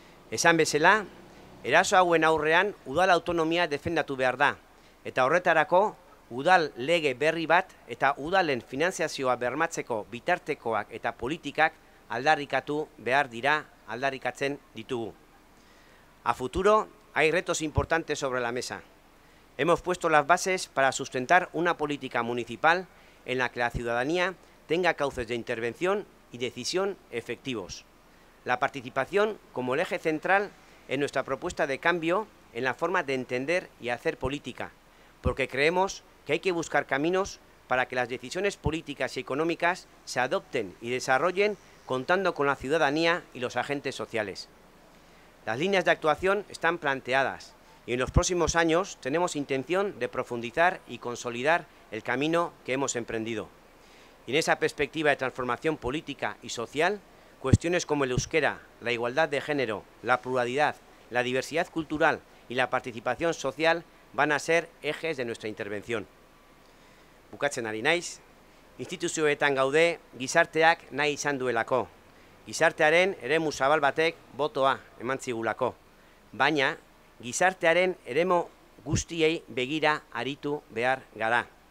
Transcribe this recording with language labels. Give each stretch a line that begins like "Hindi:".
Basque: Esan bezala, eraso hauen aurrean udal autonomia defendatu behar da, eta horretarako udal lege berri bat eta udalen finantziazioa bermatzeko bitartekoak eta politikak aldarrikatu behar dira, aldarrikatzen ditugu.
Spanish: A futuro, hay retos importantes sobre la mesa. Hemos puesto las bases para sustentar una política municipal en la que la ciudadanía tenga cauces de intervención y decisión efectivos. La participación como el eje central en nuestra propuesta de cambio en la forma de entender y hacer política, porque creemos que hay que buscar caminos para que las decisiones políticas y económicas se adopten y desarrollen contando con la ciudadanía y los agentes sociales. Las líneas de actuación están planteadas y en los próximos años tenemos intención de profundizar y consolidar el camino que hemos emprendido. Y en esa perspectiva de transformación política y social, cuestiones como el euskera, la igualdad de género, la pluralidad, la diversidad cultural y la participación social van a ser ejes de nuestra intervención.
Basque: Bukatzen ari naiz, instituzioetan gaude gizarteak nahi izan duelako. Gizartearen eremu zabal batek botoa eman zigulako. Baina, gizartearen eremu guztiei begira aritu behar gara.